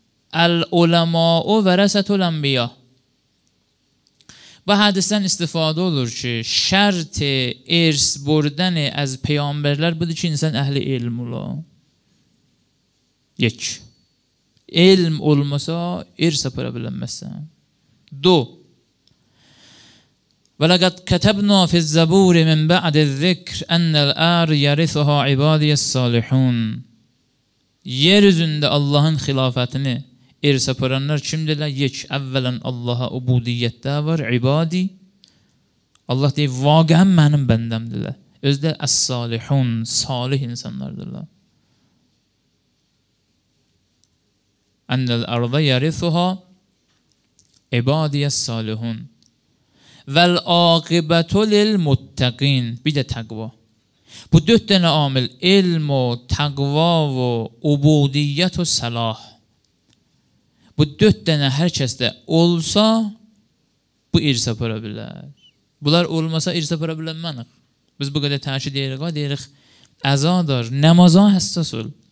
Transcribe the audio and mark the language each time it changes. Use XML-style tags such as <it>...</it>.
<ar>Əl-uləma-u vərəsət-uləmbiya.</ar> <az>Bu hadisdən istifadə olur ki, şərt irs burdan az peyambərlər budur ki, insan əhli ilm ola. Yek. İlm olmasa, irs apara bilənməzsən. Du.</az> <ar>وَلَقَدْ كَتَبْنَا فِي الزَّبُورِ مِنْ بَعْدِ الذِّكْرِ اَنَّ الْاَرْ يَرِثُهَا عِبَادِيَ الصَّالِحُونَ</ar> <az>Yer üzündə Allahın xilafətini irs aparanlar kimdirlər? Yek, əvvələn Allaha ubudiyyətdə var, ibadi. Allah deyir, vaqəm mənim bəndəmdirlər. Özdə əs-salihun, salih insanlardırlar.</az> <ar>اَنَّ الْاَرْضَ يَرِثُهَا عِبَادِيَ الصَّالِحُونَ وَالْاَقِبَتُ لِلْمُتَّقِينَ</ar> <az>Bir də təqva. Bu dörd dənə amil, ilm o, təqva o, ubudiyyət o, səlah. Bu dörd dənə hər kəs də olsa, bu irsə para bilər. Bunlar olmasa irsə para bilənmənik. Biz bu qədər təşid edirik, deyirik, əzadar, namaza həssas ol.</az>